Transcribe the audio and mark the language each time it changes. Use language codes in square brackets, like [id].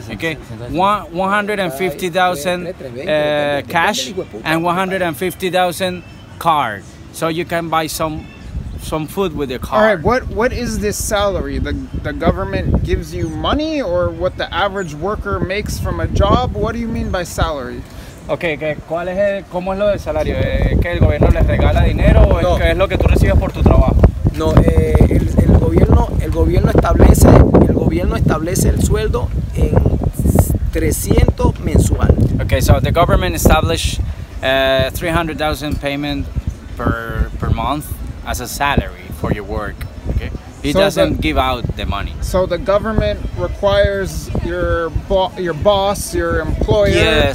[en] Okay, 150,000 cash and 150,000 card. So you can buy some food with your card. All right, what is this salary? The government gives you money or what the average worker makes from a job? What do you mean by salary? [es] Okay, ¿cuál es cómo es lo del salario? ¿Que el gobierno les regala dinero o no. Es lo que tú recibes por tu trabajo? No, el gobierno establece el sueldo en 300 mensual. [en] Okay, so the government established 300,000 payment per month as a salary for your work. Okay, it so doesn't give out the money. So the government requires your boss, your employer,